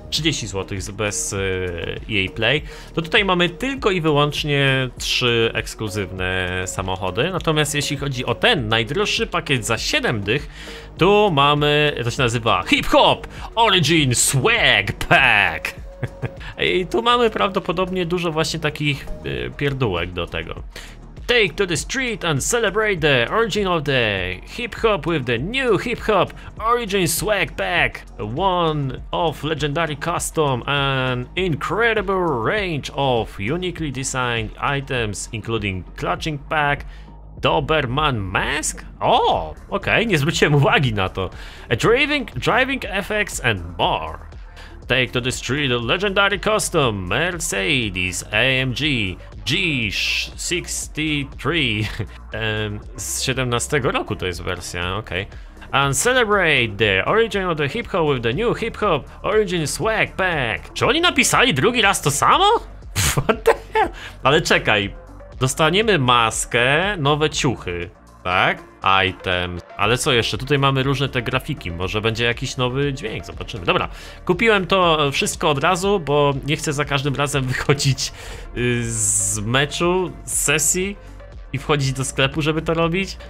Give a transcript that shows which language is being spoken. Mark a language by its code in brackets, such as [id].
[pl] 30 zł bez EA Play. To tutaj mamy tylko i wyłącznie 3 ekskluzywne samochody. Natomiast jeśli chodzi o ten najdroższy pakiet za 7 dych, tu mamy, to się nazywa Hip Hop Origin Swag Pack. I tu mamy prawdopodobnie dużo właśnie takich pierdółek do tego. [en] Take to the street and celebrate the origin of the hip hop with the new hip hop origin swag pack. One of legendary custom and incredible range of uniquely designed items, including clutching pack, Doberman mask. [pl] Oh, okay, nie zwróciłem uwagi na to. [en] A driving FX and more. Take to the street a legendary custom Mercedes AMG G63 [pl] z 17 roku to jest wersja, okej. [en] Okay. And celebrate the origin of the hip hop with the new hip hop origin swag pack. [pl] Czy oni napisali drugi raz to samo? [en] What the hell? [pl] Ale czekaj, dostaniemy maskę, nowe ciuchy, tak? Item. Ale co jeszcze? Tutaj mamy różne te grafiki. Może będzie jakiś nowy dźwięk. Zobaczymy. Dobra. Kupiłem to wszystko od razu, bo nie chcę za każdym razem wychodzić z meczu, z sesji i wchodzić do sklepu, żeby to robić.